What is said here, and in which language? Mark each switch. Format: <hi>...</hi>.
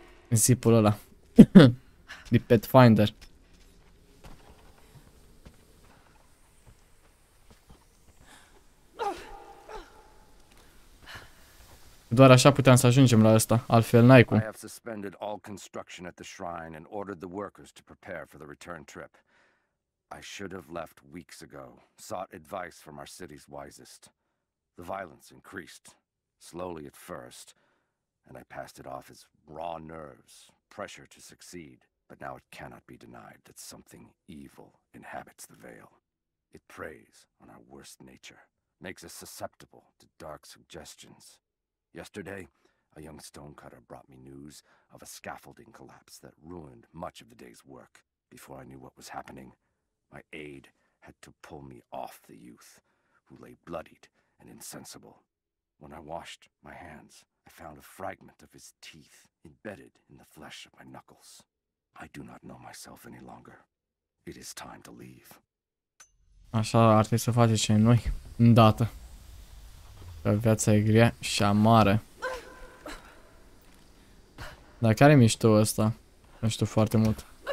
<ro>Zipul ăla. De Pathfinder. Doar așa puteam să ajungem la ăsta, altfel n-ai cum.</ro> <en>I have suspended all construction at the shrine and ordered the workers to prepare for the return trip. I should have left weeks ago, sought advice from our city's wisest. The violence increased, slowly at first, and I passed it off as raw nerves, pressure to succeed. But now it cannot be denied that something evil inhabits the veil. It preys on our worst nature, makes us susceptible to dark suggestions. Yesterday, a young stonecutter brought me news of a scaffolding collapse that ruined much of the day's work. Before I knew what was happening, my aide had to pull me off the youth, who lay bloodied and insensible. When I washed my hands, I found a fragment of his teeth embedded in the flesh of my knuckles. I do not know myself any longer. It is time to leave.</en> <ro>Așa ar trebui să faceți și noi, îndată. Viața e grea și amară. Dar care e mișto ăsta? Nu știu foarte mult.</ro>